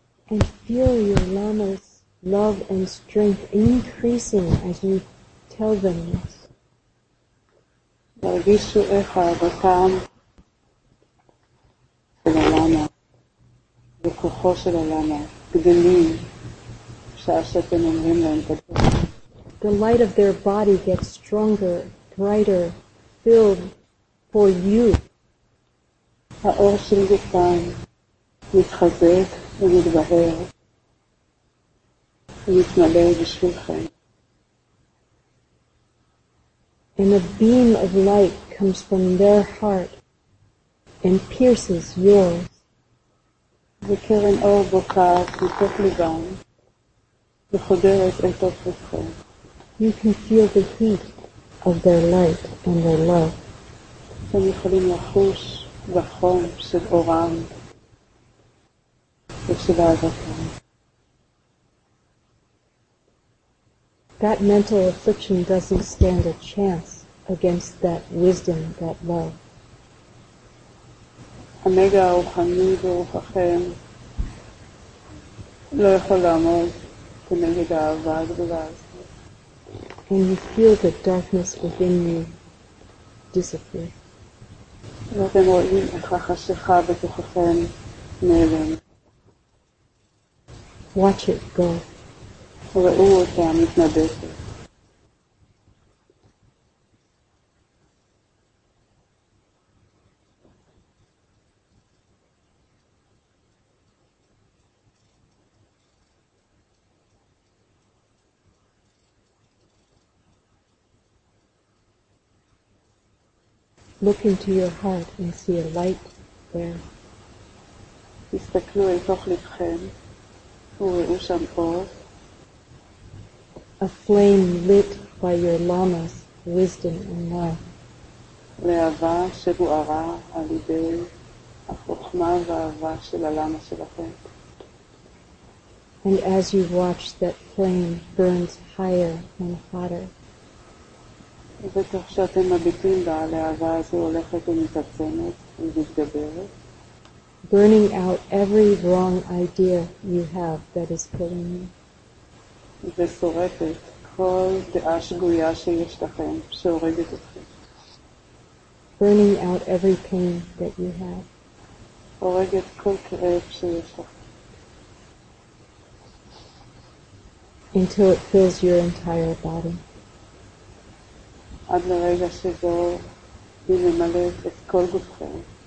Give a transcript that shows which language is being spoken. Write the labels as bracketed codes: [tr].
[en] And feel your lama's love and strength increasing as you tell them this. [he] מרגישו איך אהבתם של הלמה וכוחו של הלמה גדלים שעה שאתם אומרים להם את הדבר. [en] the light of their body gets stronger, brighter, filled for you. [he] האור של גופם מתחזק ומתברר, מתמלא בשבילכם. [en] And a beam of light comes from their heart and pierces yours. [he] וקרן אור בוקעת מתוך ליבם וחודרת אל תוך ליבכם. [en] You can feel the heat of their light and their love. [he] אתם יכולים לחוש בחום של אורם ושל אהבתם. [en] That mental affliction doesn't stand a chance against that wisdom, that love. [he] הנגע הרוחני ברוחכם לא יכול לעמוד כנגד האהבה הגדולה הזאת. [en] And you feel the darkness within you disappear. [he] ואתם רואים איך החשיכה בתוככם נעלם. [en] Watch it go. [he] ראו אותה מתנדפת. [en] Look into your heart and see a light there. [he] תסתכלו אל תוך ליבכם וראו שם אור. [en] A flame lit by your lama's wisdom and love. [he] להבה שבוערה על ידי החוכמה והאהבה של הלמה שלכם. [en] And as you watch, that flame burns higher and hotter. [he] ותוך שאתם מביטים בה, להבה הזו הולכת ומתעצמת ומתגברת. [en] Burning out every wrong idea you have that is killing you. [he] ושורפת כל דעה שגויה שיש לכם, שהורגת אתכם. [en] Burning out every pain that you have. [he] הורגת כל כאב שיש לכם. [en] Until it fills your entire body. [he] עד לרגע שזו היא ממלאת את כל גופכם.